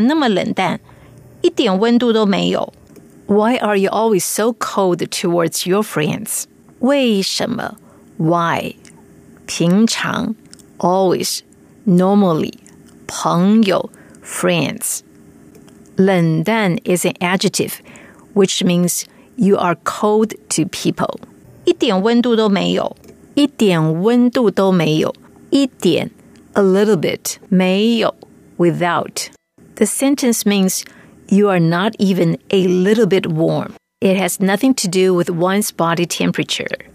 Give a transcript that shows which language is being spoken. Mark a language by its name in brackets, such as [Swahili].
[Chinese] 你为什么平常对朋友讲话那么冷淡,一点温度都没有? [English] Why are you always so cold towards your friends? [Chinese] 为什么? [English] Why? 平常, always, normally, 朋友, friends. 冷淡 is an adjective, which means you are cold to people. [Chinese] 一点温度都没有,一点温度都没有,一点, [English] a little bit, 没有, without. The sentence means you are not even a little bit warm. It has nothing to do with one's body temperature.